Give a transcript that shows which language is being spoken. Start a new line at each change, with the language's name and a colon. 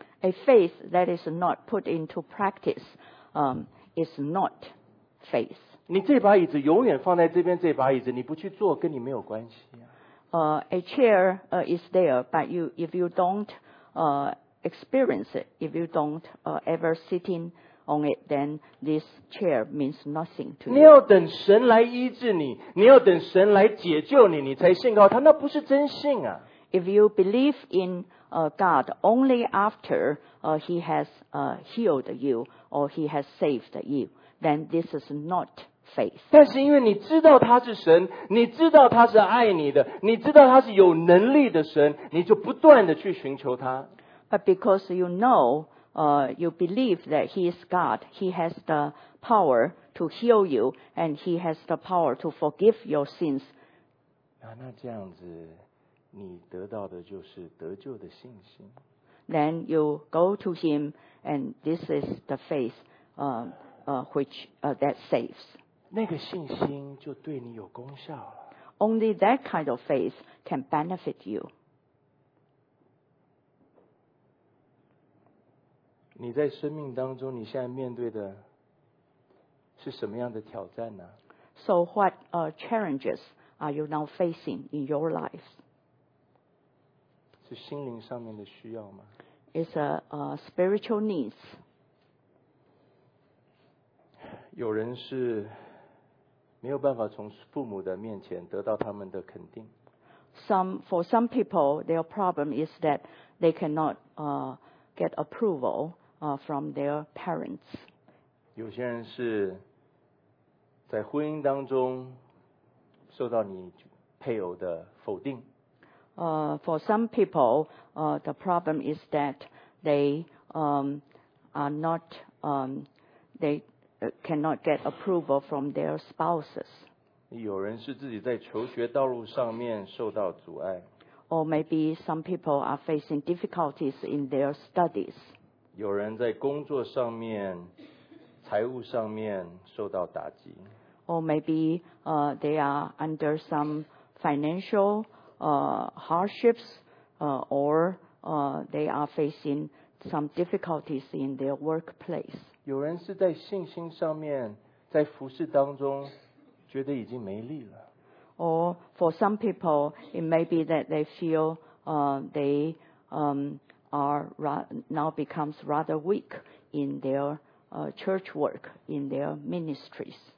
English: A faith that is not put into practice, is not faith.
Chinese: 你这把椅子永远放在这边，这把椅子你不去坐，跟你没有关系啊。
English: A chair is there, but if you don't experience it, if you don't ever sitting on it, then this chair means nothing to you.
Chinese: 你要等神来医治你，你要等神来解救你，你才信靠他，那不是真信啊。
English: If you believe in God only after he has healed you or he has saved you, then this is not. Faith.
Chinese: 但是因为你知道他是神，你知道他是爱你的，你知道他是有能力的神，你就不断的去寻求他。
English: But because you know, you believe that he is God, he has the power to heal you, and he has the power to forgive your sins.
Chinese: 啊，那这样子，你得到的就是得救的信心。
English: Then you go to him, and this is the faith, which that saves.
Chinese: 那个信心就对你有功效了。
English: Only that kind of faith can benefit you.
Chinese: 你在生命当中，你现在面对的是什么样的挑战呢？
English: So what challenges are you now facing in your life?
Chinese: 是心灵上面的需要吗？
English: It's a spiritual needs.
Chinese: 有人是没有办法从父母的面前得到他们的肯定。
English: For some people, their problem is that they cannot get approval from their parents.
Chinese: 有些人是在婚姻当中受到你配偶的否定。
English: For some people, the problem is that they are not, they cannot get approval from their spouses.
Chinese: 有人是自己在求学道路上面受到阻碍。
English: Or maybe some people are facing difficulties in their studies.
Chinese: 有人在工作上面、财务上面受到打击。
English: Or maybe they are under some financial hardships, or they are facing some difficulties in their workplace.
Chinese: 有人是在信心上面，在服事当中觉得已经没力了。
English: Or for some people, it may be that they feel they are now becomes rather weak in their church work, in their ministries.